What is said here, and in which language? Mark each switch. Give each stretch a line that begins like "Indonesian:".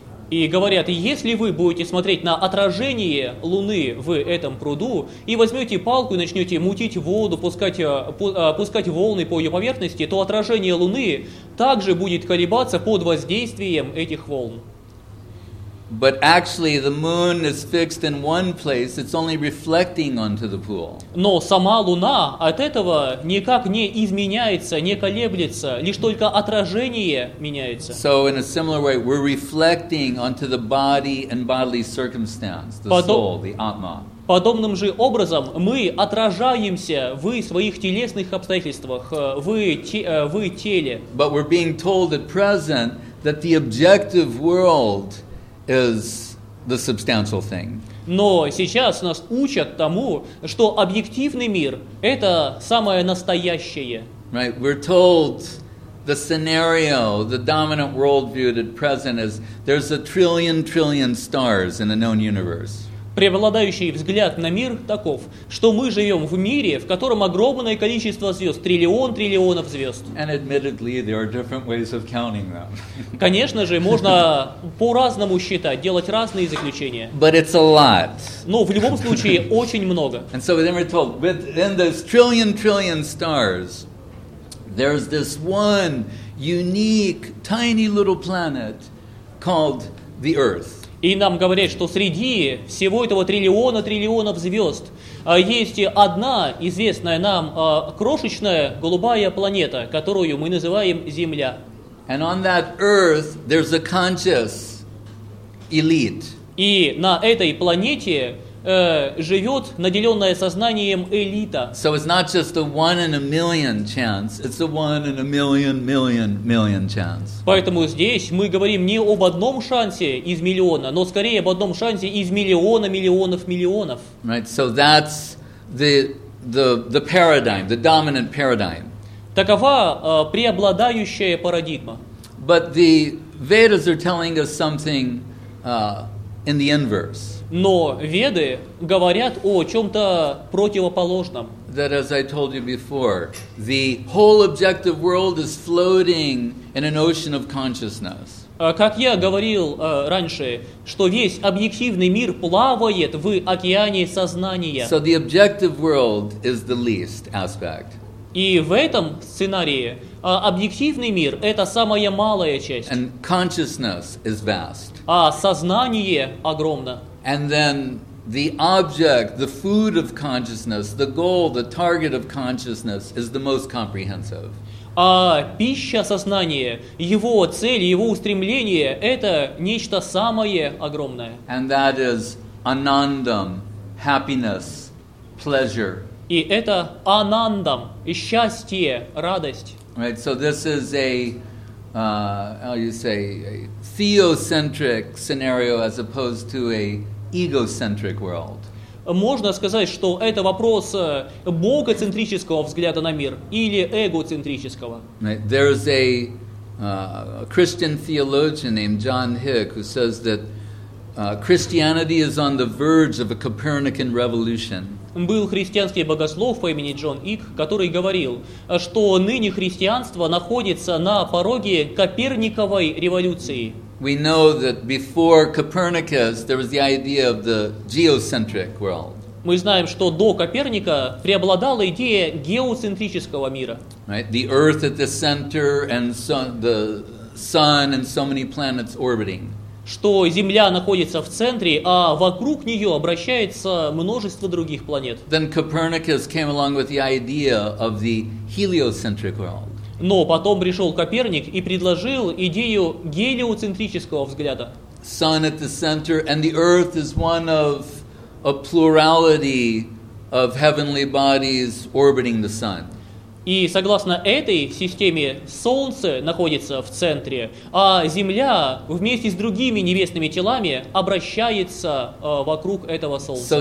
Russian: И говорят, если вы будете смотреть на отражение луны в этом пруду и возьмете палку и начнете мутить воду, пускать волны по ее поверхности, то отражение луны также будет колебаться под воздействием этих волн.
English: But actually, the moon is fixed in one place. It's only reflecting onto the pool.
Russian: Но сама луна от этого никак не изменяется, не колеблется, лишь только отражение меняется.
English: So in a similar way, we're reflecting onto the body and bodily circumstance, the soul, the atma.
Russian: Подобным же образом мы отражаемся в своих телесных обстоятельствах, в теле.
English: But we're being told at present that the objective world is the substantial thing.
Russian: Но сейчас нас учат тому, что объективный мир — это самое настоящее.
English: Right, we're told the scenario, the dominant worldview at present is there's a trillion stars in a known universe.
Russian: Преобладающий взгляд на мир таков, что мы живем в мире, в котором огромное количество звезд, триллион триллионов звезд.
English: And admittedly, there are different ways of counting them.
Russian: Конечно же, можно по-разному считать, делать разные заключения.
English: But it's a lot.
Russian: Но в любом случае, очень много.
English: And so then we're told, but in those trillion stars, there's this one unique, tiny little planet called the Earth.
Russian: И нам говорят, что среди всего этого триллионов звезд есть одна известная нам крошечная голубая планета, которую мы называем Земля.
English: And on that Earth, there's a conscious elite.
Russian: И на этой планете живет наделенная сознанием элита.
English: So it's not just a one in a million chance, it's a one in a million chance.
Russian: Поэтому здесь мы говорим не об одном шансе из миллиона, но скорее об одном шансе из миллионов.
English: Right, so that's the paradigm, the dominant paradigm.
Russian: Такова преобладающая парадигма.
English: But the Vedas are telling us something in the inverse.
Russian: Но веды говорят о чем-то противоположном.
English: That, as I told you before, the whole objective world is floating in an ocean of consciousness.
Russian: Как я говорил раньше, что весь объективный мир плавает в океане сознания.
English: So the objective world is the least aspect.
Russian: И в этом сценарии объективный мир — это самая малая часть.
English: And consciousness is vast.
Russian: А сознание огромно.
English: And then the object, the food of consciousness, the goal, the target of consciousness is the most comprehensive.
Russian: А пища сознания, его цель, его устремление — это нечто самое огромное.
English: And that is анандам, happiness, pleasure.
Russian: И это анандам, счастье, радость.
English: Right, so this is a, how you say, a theocentric scenario as opposed to a egocentric world.
Russian: Можно сказать, что это вопрос богоцентрического взгляда на мир или эгоцентрического.
English: There is a Christian theologian named John Hick who says that Christianity is on the verge of a Copernican revolution.
Russian: Был христианский богослов по имени Джон Ик, который говорил, что ныне христианство находится на пороге Коперниковой революции.
English: We know that before Copernicus there was the idea of the geocentric world.
Russian: Мы знаем, что до Коперника преобладала идея геоцентрического мира.
English: Right, the Earth at the center and so, the Sun and so many planets orbiting.
Russian: Что Земля находится в центре, а вокруг нее обращается множество других планет.
English: Then Copernicus came along with the idea of the heliocentric world.
Russian: Но потом пришел Коперник и предложил идею гелиоцентрического взгляда.
English: Sun at the center, and the Earth is one of a plurality of heavenly bodies orbiting the Sun.
Russian: И согласно этой системе, Солнце находится в центре, а Земля вместе с другими небесными телами обращается вокруг этого Солнца.